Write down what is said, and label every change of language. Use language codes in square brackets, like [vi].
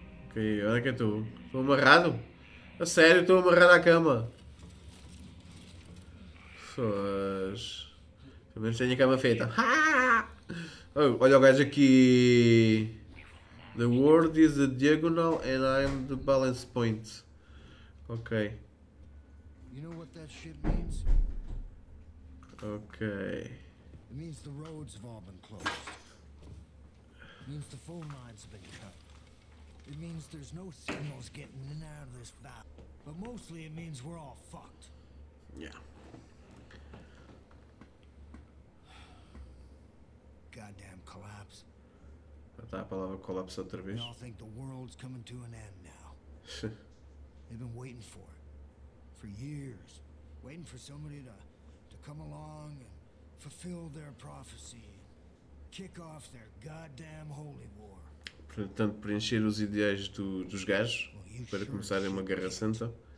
[pt] Ok, onde é que estou? Estou amarrado? A sério, estou amarrado à cama. Fãs. Pelo menos tenho a cama feita. Olha o gajo aqui. [en] The word is a diagonal and I'm the balance point. Ok. You know what that shit means? Ok. It means the roads have all been closed. It means the phone lines have been cut. It means there's no signals getting in and out of this valley. But mostly it means we're all fucked. Yeah. Goddamn collapse. [pt] Tá, a palavra colapso outra [en] We [pt] vez. [en] all think the world's coming to an end now. They've been waiting for it. For years. Waiting for somebody to come along and fulfill their prophecy. Kick off their goddamn holy war. [pt] Portanto, preencher os ideais dos gajos para começarem uma guerra santa.